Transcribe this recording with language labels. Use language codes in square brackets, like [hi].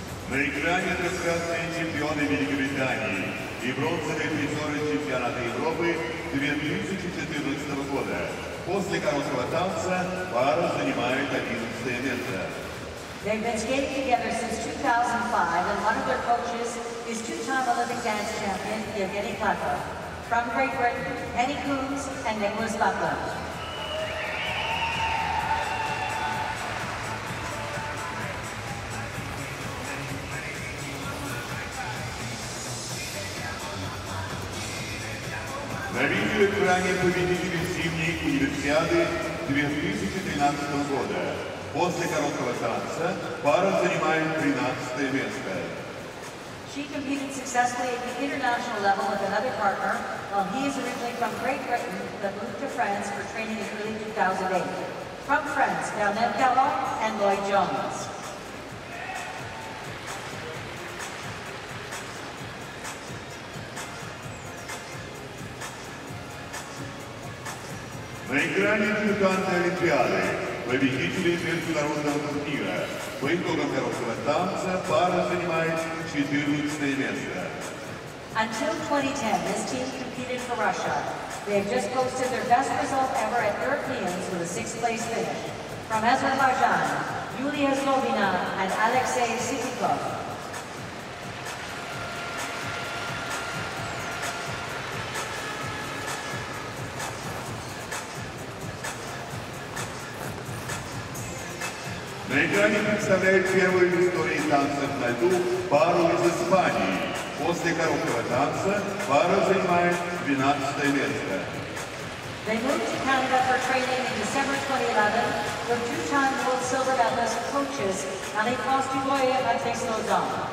[ru] На экране трехкратные чемпионы Великобритании и бронзовые призеры чемпионата Европы 2014 года. После короткого танца пара занимает 11 место. [en] They've been skating together since 2005, and one of their coaches is two-time Olympic dance champion Evgeny Platov. From Great Britain, Henny Coombs and Nicholas Buckland. [ru] Ранее победители зимней универсиады 2013 года. После короткого танца пара занимает 13 место. [en] She competed successfully at the international level with another partner, while he is originally from Great Britain but moved to France for training in early 2008. From France, Bernard Caron and Lloyd Jones. [ru] На экране дебютанты Олимпиады, победители международного турнира. По итогам короткого танца пара занимает 14 место. [en] Until 2010, this team competed for Russia. They have just posted their best result ever at Europeans with a sixth place finish. From Azerbaijan, Yulia Slovina and Alexei Sitikov. [ru] На экране представляют первую в истории танцев на льду пару из Испании. После короткого танца пара занимает 12 место. [en] They moved to Canada for training in December 2011 with two-time gold silver medalist coaches Ali Costigoye and Alexei Slodon.